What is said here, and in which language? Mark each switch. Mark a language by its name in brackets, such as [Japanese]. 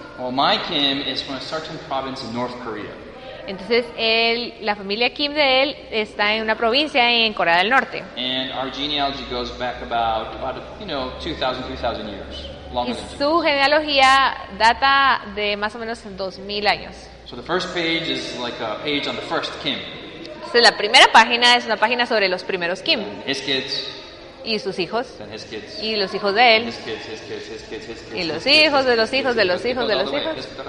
[English] Well, my Kim is from a certain province in North Korea. [Spanish] Entonces, la familia Kim de él está en una provincia en Corea del Norte. [English] And our genealogy goes back about 2,000 years. [Spanish] Y su genealogía data de más o menos 2,000 años. [English] So the first page is like a page on the first Kim. [Spanish] Entonces la primera página es una página sobre los primeros Kim. [English] And his kids. [Spanish] Y sus hijos. [English] And his kids. [Spanish] Y los hijos de él. [English] And his kids. [Spanish] Y los hijos de los hijos de los hijos de los hijos.